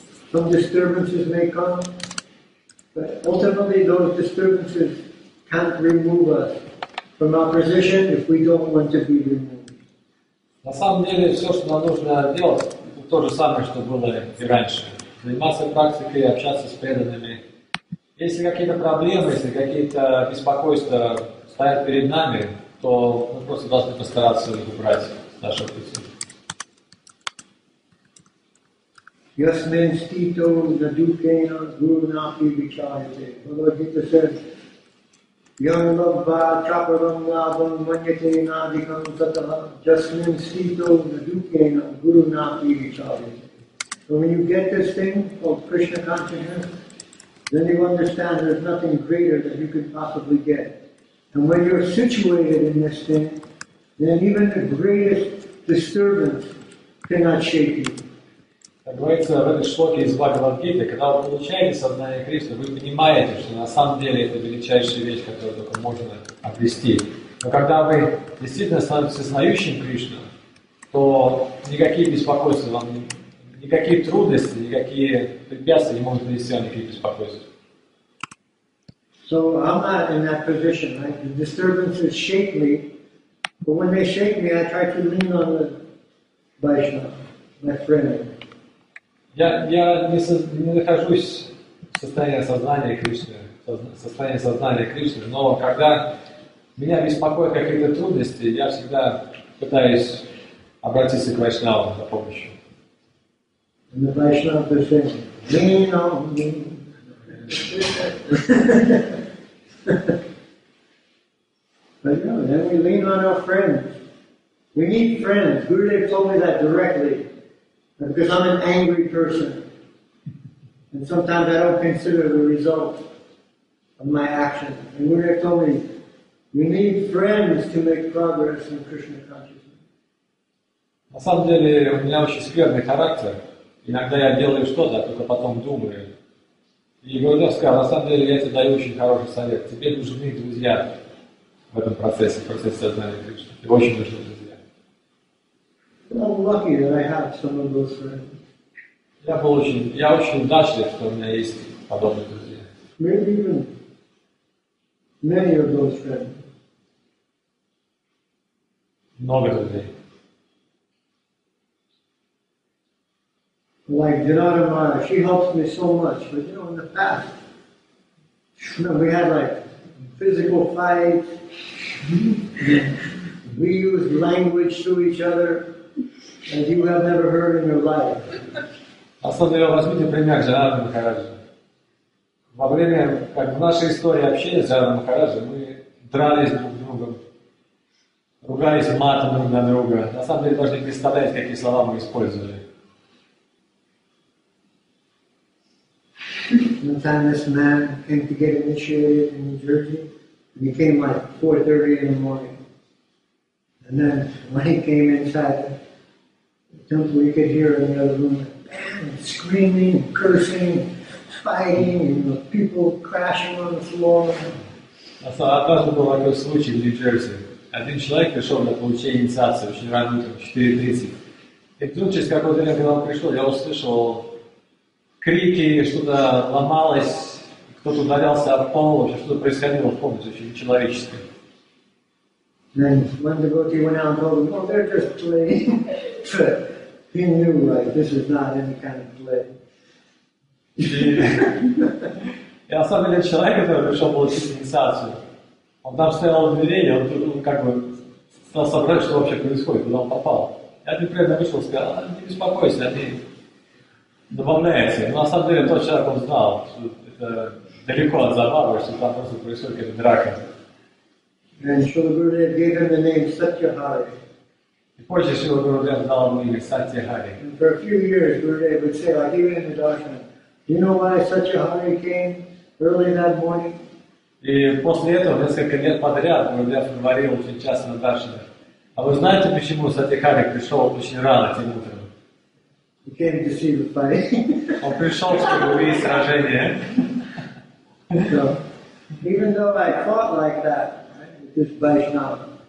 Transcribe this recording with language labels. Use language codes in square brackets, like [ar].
[en] Some disturbances may come, but ultimately those disturbances can't remove us from our position if we don't want to be removed. [ru] На самом деле, все, что нам нужно делать, то же самое, что было и раньше. Заниматься практикой, общаться с преданными. Если какие-то проблемы, если какие-то беспокойства стоят перед нами, то мы просто должны постараться их убрать с нашего пути. [sa] Ясмин стито надукена гурнапи вичарите. Бхагавад-гита says, Ян лабба чапарам лабам маньяте надикам сатаха. Ясмин стито надукена гурнапи вичарите. [en] So when you get this thing called Krishna consciousness, then you understand there's nothing greater that you could possibly get. And when you're situated in this thing, then even the greatest disturbance cannot shake you. [ru] Как говорится в этой шлоке из Бхагавад-гиты, когда вы получаете сознание Кришны, вы понимаете, что на самом деле это величайшая вещь, которую только можно обрести. Но когда вы действительно становитесь сознающим Кришну, то никакие беспокойства вам, никакие трудности, никакие препятствия не могут принести вам никаких беспокойств. [en] So I'm not in that position. Right? The disturbances shake me, but when they shake me, I try to lean on the Vaishnava, my friend. [ru] Я не нахожусь в состоянии сознания Кришны, но когда меня беспокоят какие-то трудности, я всегда пытаюсь обратиться к Вайшнаву за помощью. [en] And the Vaishnava is saying, lean on me. But no, then we lean on our friends. We need friends. Gurudev told me that directly. Because I'm an angry person. And sometimes I don't consider the result of my actions. And Gurudev told me, You need friends to make progress in Krishna consciousness. [ru] На самом деле у меня очень скверный характер. Иногда я делаю что-то, а только потом думаю. И Гурудев сказал, на самом деле я тебе даю очень хороший совет. Тебе нужны друзья в этом процессе, в процессе сознания Кришны. Тебе очень нужны друзья. [en] I'm lucky that I have some of those friends. [ru] Я очень удачлив, что у меня есть подобные друзья. [en] Maybe even many of those friends. [ru] Много друзей. [en] Like Janata Mata, she helps me so much. But you know, in the past, when we had like physical fights, we used language to each other as you have never heard in your life. [ru] Особенно возьмите пример Джанаты Махараджи. Во время, как в нашей истории общения с Джанатой Махараджи, мы дрались друг с другом, ругались матом друг на друга. На самом деле, даже не представляете, какие слова мы использовали. [en] One time this man came to get initiated in New Jersey, and he came like 4:30 in the morning. And then when he came inside the temple, you could hear in the other room, bam, screaming, cursing, fighting, and the people crashing on the floor. [ru] Однажды был такой случай в Нью-Джерси. Один человек пришел на получение инициации очень рано утром, 4:30. И вдруг через какое-то время, когда он пришел, я услышал крики, что-то ломалось, кто-то ударялся об пол, вообще что-то происходило в комнате, очень нечеловеческое. [en] Then when the devotee went out and told him, "Oh, they're just playing," he knew like this is not any kind of play. [ru] И на самом деле человек, который пришел получить инициацию, он там стоял в дверей, он тут как бы стал соображать, что вообще происходит, куда он попал. Я неприятно вышел и сказал, не беспокойся, они добавляется. Но на самом деле тот человек он знал, что это далеко от забавы, что там просто происходит какая-то драка. [en] And Srila Gurudev gave him the name Satyahari. [ru] И позже Srila Gurudev дал ему имя Satyahari. [en] And for a few years Gurudev would say, like even in the darshan, do you know why Satyahari came early that morning? [ru] И после этого несколько лет подряд Gurudev говорил очень часто на даршане. А вы знаете, почему Satyahari пришел очень рано тем утром? [en] He came to see the fight. [ru] Он пришел, чтобы увидеть сражение. [en] So, even though I fought like that, right, just Vaishnava.